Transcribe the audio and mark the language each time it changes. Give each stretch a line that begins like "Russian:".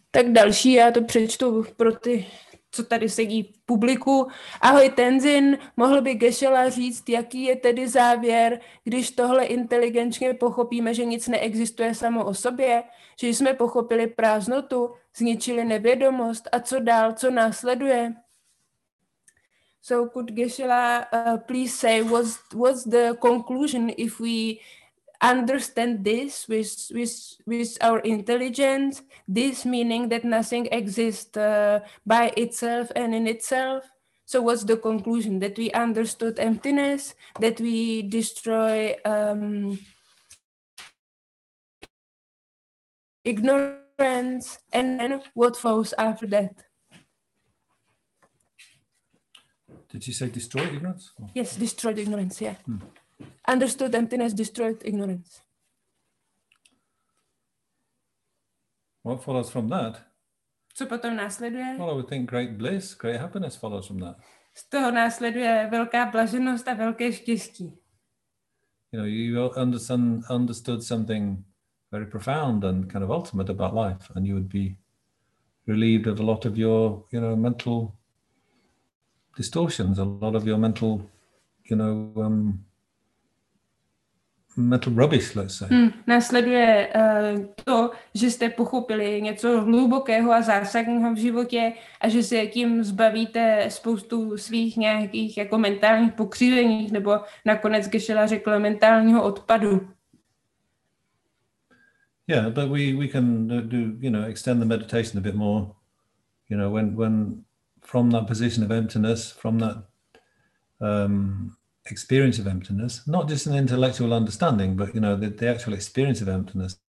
Czech: Tak další, já to přečtu pro ty, co tady sedí publiku. Ahoj Tenzin, mohl by Geshe-la říct, jaký je tedy závěr, když tohle inteligenčně pochopíme, že nic neexistuje samo o sobě, že jsme pochopili prázdnotu, zničili nevědomost a co dál, co následuje?
English: So could Geshe-la please say what's the conclusion if we understand this with our intelligence, this meaning that nothing exists by itself and in itself. So what's the conclusion? That we understood emptiness, that we destroy ignorance, and then what follows after that? Did you say destroyed ignorance? Yes, destroyed ignorance, yeah. Hmm. Understood emptiness, destroyed ignorance. What follows from that?
Czech: Co potom následuje?
English: Well, I would think great bliss, great happiness follows from that.
Czech: Z toho následuje velká blaženost a velké štěstí.
English: You know, you understood something very profound and kind of ultimate about life, and you would be relieved of a lot of your, you know, mental distortions, a lot of your mental, you know, mental rubbish, let's say.
Czech: Následuje to, že jste pochopili něco hlubokého a zásadního v životě a že se tím zbavíte spoustu svých nějakých jako mentálních pokřivení nebo nakonec Geshe-la řekl mentálního odpadu.
English: Yeah, but we can do, you know, extend the meditation a bit more, you know, when from that position of emptiness, from that experience of emptiness, not just an intellectual understanding, but, you know, the actual experience of emptiness.